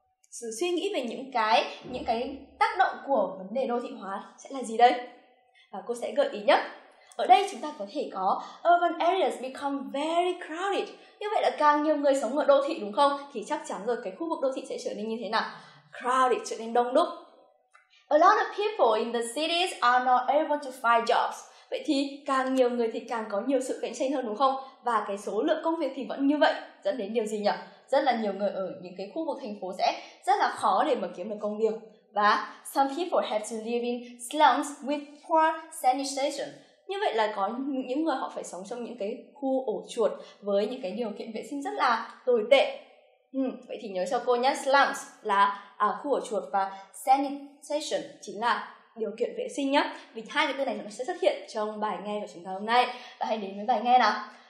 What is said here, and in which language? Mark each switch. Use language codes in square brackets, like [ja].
[vi] Sự suy nghĩ về những cái tác động của vấn đề đô thị hóa sẽ là gì đây? Và cô sẽ gợi ý nhé. Ở đây chúng ta có thể có [en] urban areas become very crowded. [vi] Như vậy là càng nhiều người sống ở đô thị đúng không? Thì chắc chắn rồi cái khu vực đô thị sẽ trở nên như thế nào? Crowded, trở nên đông đúc. [en] A lot of people in the cities are not able to find jobs. [vi] Vậy thì càng nhiều người thì càng có nhiều sự cạnh tranh hơn đúng không? Và cái số lượng công việc thì vẫn như vậy. Dẫn đến điều gì nhỉ? Rất là nhiều người ở những cái khu vực thành phố sẽ rất là khó để mà kiếm được công việc. [en] Và some people have to live in slums with poor sanitation. [vi] Như vậy là có những người họ phải sống trong những cái khu ổ chuột với những cái điều kiện vệ sinh rất là tồi tệ. Vậy thì nhớ cho cô nhé, slums là khu ổ chuột và sanitation chính là điều kiện vệ sinh nhé. Vì hai cái từ này nó sẽ xuất hiện trong bài nghe của chúng ta hôm nay. Và hãy đến với bài nghe nào.